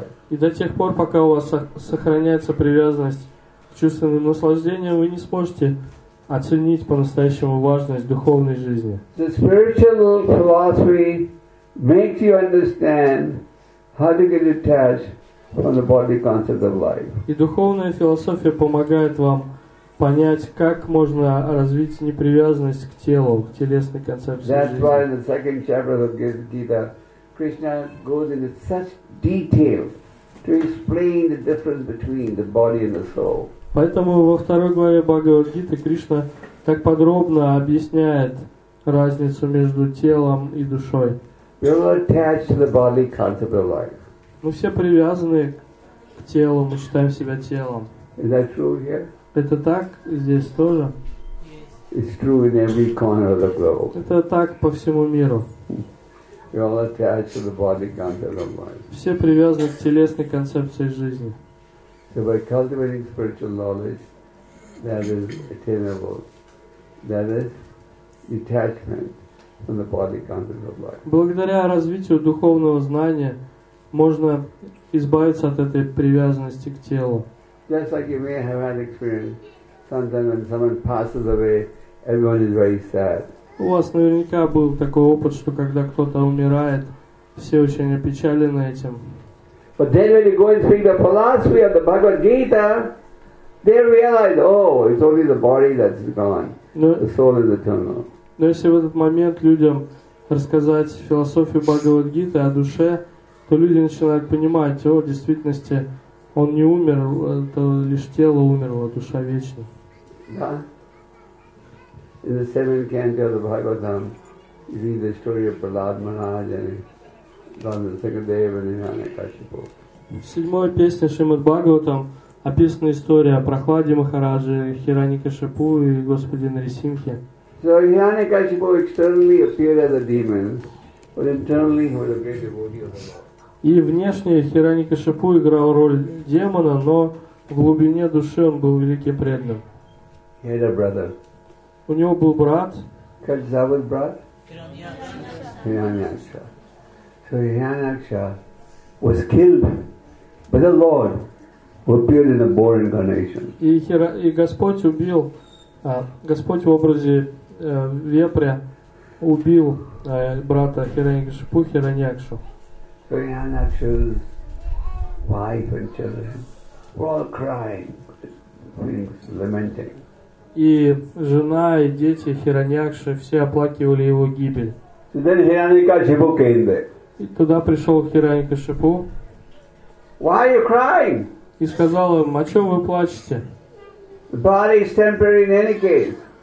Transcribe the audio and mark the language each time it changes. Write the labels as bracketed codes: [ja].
[ru] И до тех пор, пока у вас сохраняется привязанность к чувственным наслаждениям, вы не сможете оценить по-настоящему важность духовной жизни. [en] The spiritual philosophy makes you understand how to get detached from the bodily concept of life. [ru] И духовная философия помогает вам понять, как можно развить непривязанность к телу, к телесной концепции [en] That's [ru] жизни. [en] That's why in the second chapter of Gita, Krishna goes into such detail to explain the difference between the body and the soul. [ru] Поэтому во второй главе Бхагавад-гиты Кришна так подробно объясняет разницу между телом и душой. [en] We are attached to the bodily concept of life. [ru] Мы все привязаны к телу, мы считаем себя телом. [en] Is that true here? [ru] Это так здесь тоже? [en] It's true in every corner of the globe. [ru] Это так по всему миру. [en] We all attach to the body concept of life. [ru] Все привязаны к телесной концепции жизни. [en] So by cultivating spiritual knowledge, that is attainable, that is detachment from the body concept of life. [ru] Благодаря развитию духовного знания можно избавиться от этой привязанности к телу. [en] Just like you may have had experience, sometimes when someone passes away, everyone is very sad. [ru] У вас наверняка был такой опыт, что когда кто-то умирает, все очень опечалены этим. [en] But then when you go and speak the philosophy of the Bhagavad Gita, they realize, oh, it's only the body that's gone. The soul is eternal. [ru] Но если в этот момент людям рассказать философию Бхагавад Гиты о душе, то люди начинают понимать, о, в действительности он не умер, это лишь тело умерло, а душа вечна. Да. [en] In the seventh canto of the Bhagavatam, you read the story of Prahlad Maharaj and Sukadeva and Hiranyakashipu. [ru] В седьмой песне Шримад Бхагаватам описана история о Прохладе Махараджи, Хираньякашипу и Господе Нарисимхе. [en] So Hiranyakashipu externally appeared as a demon, but internally he was a great devotee of the Lord. [ru] И внешне Хираньякашипу играл роль демона, но в глубине души он был великим преданным. [en] He had a brother. [ru] У него был брат. Каджавад брат? Хираньякша. [en] So Хираньякша was killed by the Lord who appeared in a boar incarnation. [ru] И Господь убил, Господь в образе вепря убил брата Хираньякшипу, Хираньякшу. [en] So Хираньякша's wife and children were all crying, lamenting. [ru] И жена, и дети Хираньякши все оплакивали его гибель. [en] So [ru] и туда пришел Хираньякашипу. [en] Why are you crying? [ru] И сказал им, о чем вы плачете? [en] The body is temporary in any case.